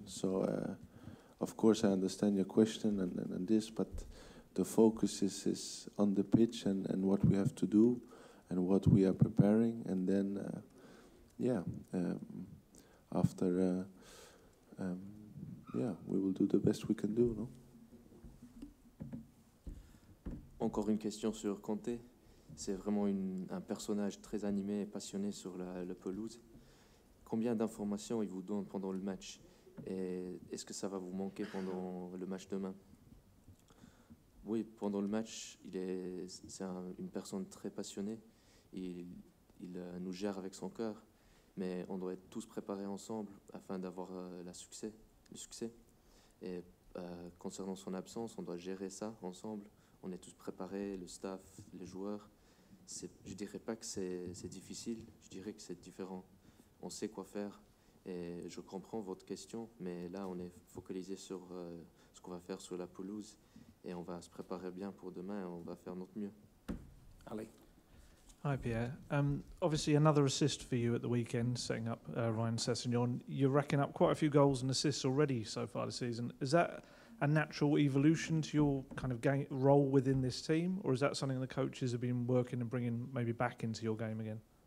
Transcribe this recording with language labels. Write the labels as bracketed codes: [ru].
[en] So, of course, I understand your question and this, but the focus is on the pitch and what we have to do, and what we are preparing, and then, after, we will do the best we can do. No. [fr] Encore une question sur Conte. C'est vraiment un personnage très animé et passionné sur la pelouse. Combien d'informations il vous donne pendant le match? Et est-ce que ça va vous manquer pendant le match demain? Oui, pendant le match, c'est une personne très passionnée. Il nous gère avec son cœur. Mais on doit être tous préparés ensemble afin d'avoir le succès. Et concernant son absence, on doit gérer ça ensemble. On est tous préparés, le staff, les joueurs. Je dirais pas que c'est difficile, je dirais que c'est différent. On sait quoi faire et je comprends votre question, mais là on est focalisé sur ce qu'on va faire sur la pelouse et on va se préparer bien pour demain et on va faire notre mieux. Allez. [en] Hi Pierre. Obviously another assist for you at the weekend, setting up Ryan Sessegnon. You're racking up quite a few goals and assists already so far this season. Is that a natural evolution to your kind of game role within this team, or is that something the coaches have been working and bringing maybe back into your game again?